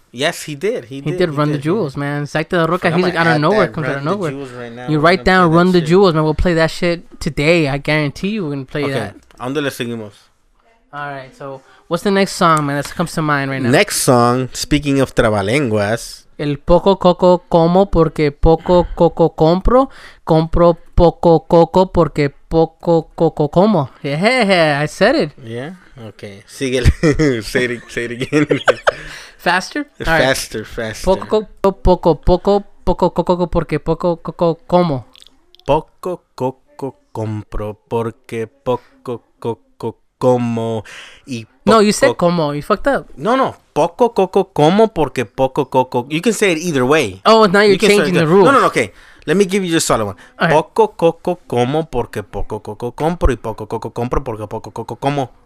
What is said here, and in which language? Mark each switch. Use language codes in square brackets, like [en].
[en] Yes, he did. He did Run the Jewels, man. Zach De La Rocha, he's like, out of nowhere. Right now, you write down Run the Jewels, man. We'll play that shit today. I guarantee you we're going to play that. [es] Okay, ¿Dónde le seguimos? [en] All right, so... What's the next song, man, that comes to mind right now? Next song, speaking of trabalenguas. [es] El poco coco como porque poco coco compro. Compro poco coco porque poco coco como. [en] Yeah, I said it. Yeah, okay. [es] Síguele. [en] say it again. Faster. [es] Poco coco porque poco coco como. Poco coco compro porque poco coco como. [en] No, you said como. You fucked up. No. [es] Poco coco como porque poco coco. [en] You can say it either way. Oh, now you're changing the rules. No. Okay. Let me give you just solo one. Okay. [es] Poco coco como porque poco coco compro y poco coco compro porque poco coco como.